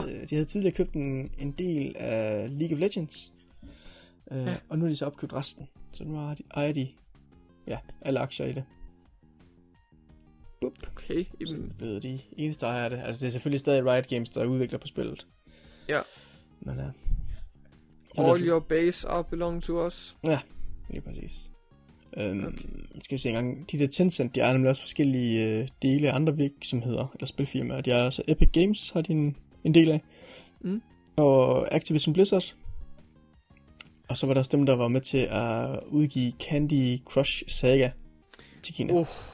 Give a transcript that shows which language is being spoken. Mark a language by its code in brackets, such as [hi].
[da] De havde tidligere købt en del af League of Legends. Og nu har de så opkøbt resten. Så nu ejer de alle aktier i det. Boop. Okay. Så ved de eneste ejer det. Altså, det er selvfølgelig stadig Riot Games, der udvikler på spillet. Ja. Men ja. [en] All your base are belong to us. [da] Ja, lige præcis. Okay. Skal vi se engang. De der Tencent, de ejer nemlig også forskellige dele af andre virksomheder, eller spilfirmaer. De er altså Epic Games, har de en del af. Mm. Og Activision Blizzard. Og så var der også dem, der var med til at udgive Candy Crush Saga til Kina.